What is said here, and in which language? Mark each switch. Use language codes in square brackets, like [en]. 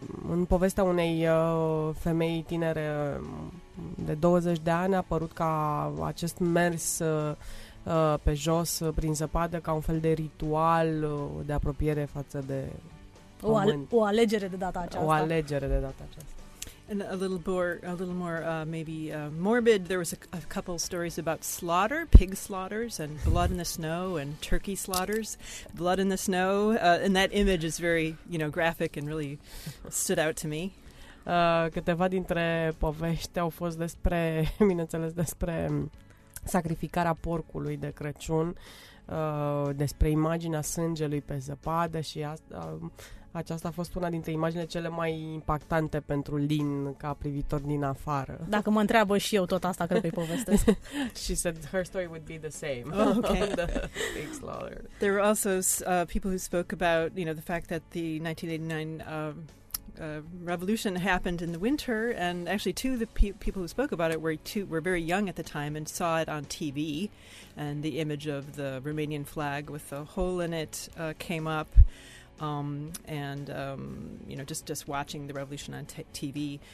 [ro] în povestea unei femei tinere de 20 de ani a apărut ca acest mers pe jos, prin zăpadă, ca un fel de ritual de apropiere față de pământ. O alegere de data aceasta. O alegere de data aceasta. [en] And a little more morbid, there was a couple stories about slaughter, pig slaughters, and blood in the snow, and turkey slaughters, blood in the snow, and that image is very, you know, graphic and really stood out to me. [ro] Câteva dintre povești au fost despre, bineînțeles, despre sacrificarea porcului de Crăciun, despre imaginea sângelui pe zăpadă și aceasta a fost una dintre imaginele cele mai impactante pentru Lin ca privitor din afară. Dacă mă întreabă și eu tot asta, cred că-i povestesc. [en] She said her story would be the same. Okay. The big slaughter. There were also people who spoke about, you know, the fact that the 1989 revolution happened in the winter, and actually two of the people who spoke about it were very young at the time and saw it on TV, and the image of the Romanian flag with the hole in it came up, you know, just watching the revolution on TV.